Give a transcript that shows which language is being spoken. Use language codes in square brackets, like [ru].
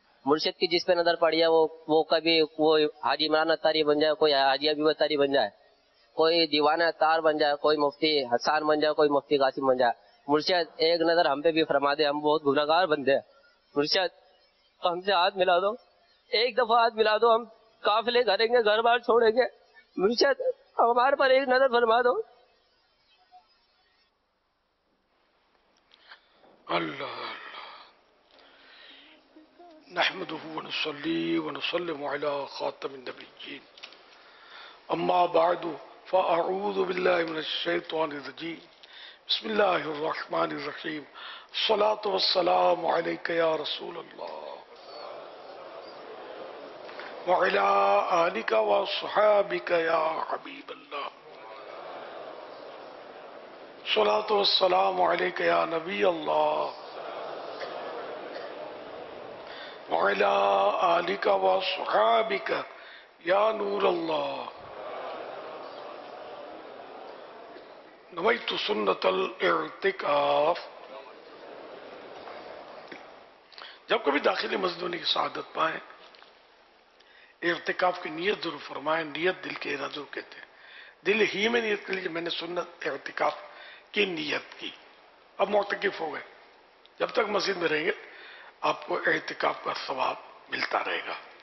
[ur] مرشد کی جس پہ نظر پڑی ہے وہ کبھی وہ حاجی عمران اتاری بن جائے، کوئی حاجی ابی اتاری بن جائے، کوئی دیوانہ اتار بن جائے، کوئی مفتی حسان بن جائے، کوئی مفتی قاسم بن جائے، مرشد ایک نظر ہم پہ بھی فرما دے، ہم بہت گناہگار بندے ہیں. مرشد تو ہم سے ہاتھ ملا دو، ایک دفعہ ہاتھ ملا دو، ہم قافلے کریں گے، گھر بار چھوڑیں گے. مرشد ہمارے پر ایک نظر فرما دو. [ar] اللہ نحمده ونصلي ونسلم على خاتم النبيين اما بعد فاعوذ بالله من الشيطان الرجيم بسم الله الرحمن الرحيم الصلاه والسلام عليك يا رسول الله وعلى اليك واصحابك يا حبيب الله الصلاه والسلام عليك يا نبي الله وعلى آلك وصحابك يا نور الله نويت سنة الاعتكاف. [ur] جب کبھی داخل مسجد ہونے کی سعادت پائیں، ارتکاف کی نیت ضرور فرمائیں. نیت دل کے ارادے کو کہتے ہیں، دل ہی میں نیت کر لیجیے میں نے سنت ارتکاف کی نیت کی. اب معتکف ہو گئے، جب تک مسجد میں رہیں گے آپ کو اعتکاف کا ثواب ملتا رہے گا.